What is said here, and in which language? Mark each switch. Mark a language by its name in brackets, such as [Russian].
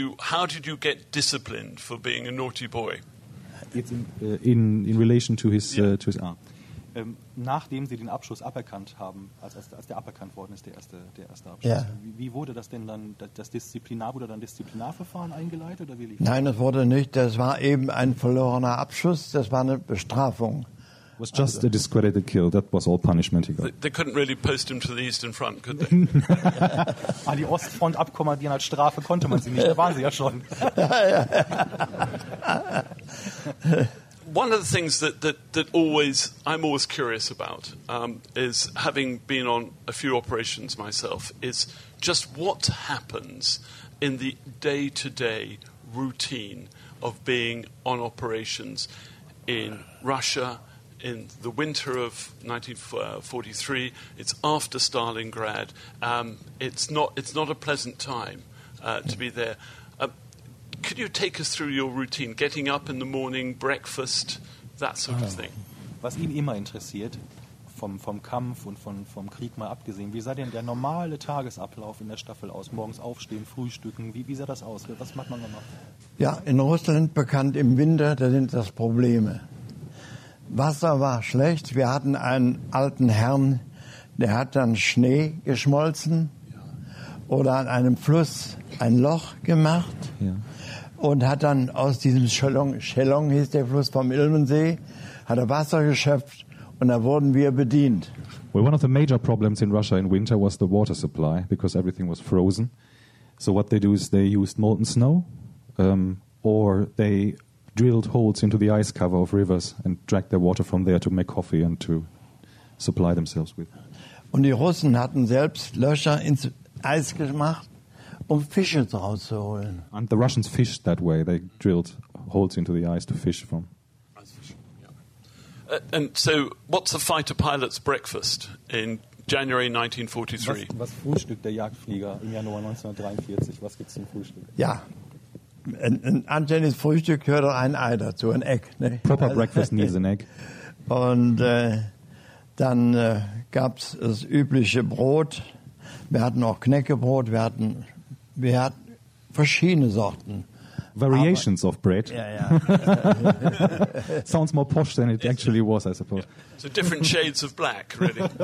[English] How did you get disciplined for being a naughty boy? It's in relation to his to his arm. [German] Nachdem Sie den Abschuss aberkannt haben, als der aberkannt worden ist, der erste Abschuss, ja. Wie wurde das denn dann, Disziplinarverfahren eingeleitet? Oder wie lief das? Nein, das wurde nicht. Das war eben ein verlorener Abschuss. Das war eine Bestrafung. [English] It was just a discredited kill. That was all punishment he got. They couldn't really post him to the Eastern Front, could they? [German] Ah, die Ostfront abkommandieren als Strafe konnte man sie nicht. Da waren sie ja schon. [English] One of the things that always I'm always curious about is, having been on a few operations myself, is just what happens in the day-to-day routine of being on operations in Russia in the winter of 1943. It's after Stalingrad. It's not a pleasant time to be there. Could you take us through your routine? Getting up in the morning, breakfast, that sort of thing. [German] Was ihn immer interessiert, vom Kampf und vom Krieg mal abgesehen, wie sah denn der normale Tagesablauf in der Staffel aus? Morgens aufstehen, frühstücken, wie sah das aus? Was macht man nochmal? Ja, in Russland bekannt im Winter, da sind das Probleme. Wasser war schlecht. Wir hatten einen alten Herrn, der hat dann Schnee geschmolzen oder an einem Fluss ein Loch gemacht. Ja. Und hat dann aus diesem Schellong hieß der Fluss vom Ilmensee, hat er Wasser geschöpft und da wurden wir bedient. [English] Well, one of the major problems in Russia in winter was the water supply, because everything was frozen. So what they do is they used molten snow or they drilled holes into the ice cover of rivers and dragged their water from there to make coffee and to supply themselves with. [German] Und die Russen hatten selbst Löcher ins Eis gemacht, um Fische daraus zu holen. [English] And the Russians fished that way. They drilled holes into the ice to fish from. And so, what's the fighter pilot's breakfast in January 1943? [German] Was frühstückt der Jagdflieger im Januar 1943? Was gibt's zum Frühstück? Ja, ein anständiges Frühstück gehört ein Ei dazu, ein Egg. Ne? [English] Proper breakfast needs an egg. [German] Und dann gab's das übliche Brot. Wir hatten auch Knäckebrot, wir hatten verschiedene Sorten. [English] variations of bread. Yeah. Sounds more posh than it actually was, I suppose. Yeah. So different shades of black, really.